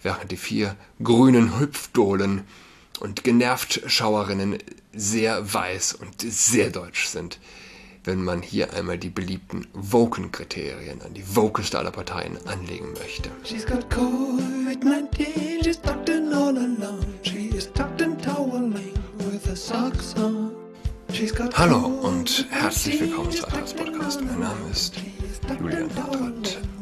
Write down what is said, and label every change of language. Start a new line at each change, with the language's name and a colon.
German: während die vier grünen Hüpfdohlen und Genervtschauerinnen sehr weiß und sehr deutsch sind, wenn man hier einmal die beliebten Woken-Kriterien an die Wokeste aller Parteien anlegen möchte.
English: She's got COVID-19, she's tucked in all alone. She is tucked in toweling with her socks on.
German: Hallo und herzlich willkommen zu Alltags Podcast. Mein Name ist Julian Nordrott.